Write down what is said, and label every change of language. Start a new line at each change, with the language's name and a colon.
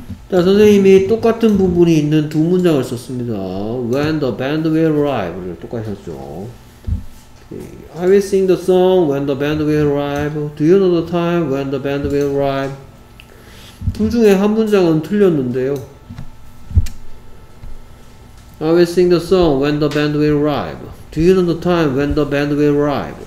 Korean: 자, 선생님이 똑같은 부분이 있는 두 문장을 썼습니다.
English: When the band will arrive.
Korean: 똑같이 썼죠.
English: Okay. I will sing the song when the band will arrive. Do you know the time when the band will arrive?
Korean: 둘 중에 한 문장은 틀렸는데요.
English: I will sing the song when the band will arrive. Do you know the time when the band will arrive?